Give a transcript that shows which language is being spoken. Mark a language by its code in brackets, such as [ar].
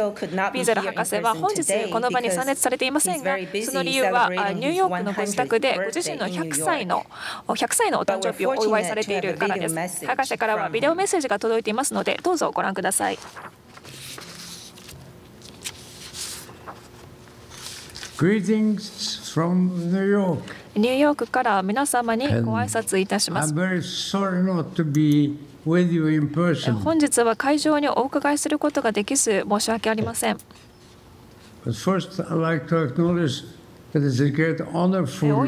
[ja] ウィゼル博士は本日この場に参列されていませんが、その理由はニューヨークの自宅でご自身の100歳のお誕生日をお祝いされているからです。博士からはビデオメッセージが届いていますので、どうぞご覧ください。 [en] Greetings from New York. [ja] ニューヨークから皆様にご挨拶いたします。 [en] I'm very sorry not to be with you in person. [ja] 本日は会場にお伺いすることができず申し訳ありません。 [en] But first, I'd like to acknowledge that it's a great honor for me